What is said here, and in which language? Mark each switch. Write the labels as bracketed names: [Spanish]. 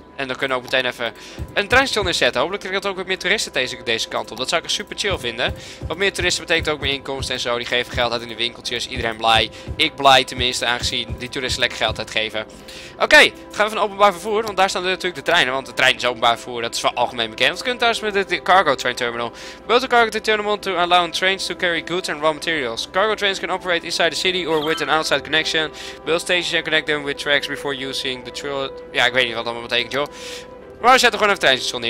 [Dutch] En dan kunnen we ook meteen even een treinstation inzetten. Hopelijk krijg ik dat ook weer meer toeristen deze kant op. Dat zou ik super chill vinden. Wat meer toeristen betekent ook meer inkomsten en zo. Die geven geld uit in de winkeltjes. Iedereen blij. Ik blij tenminste, aangezien die toeristen lekker geld uitgeven. Oké, gaan we van openbaar vervoer. Want daar staan natuurlijk de treinen. Want de trein is openbaar vervoer. Dat is wel algemeen bekend. Dat kunnen thuis met de cargo train terminal. [English] Build a cargo terminal to allow trains to carry goods and raw materials. Cargo trains can operate inside the city or with an outside connection. Build stations and connect them with tracks before using the trail. [Dutch] Ja, ik weet niet wat dat allemaal betekent, joh. Maar we zetten gewoon even een treinstation neer.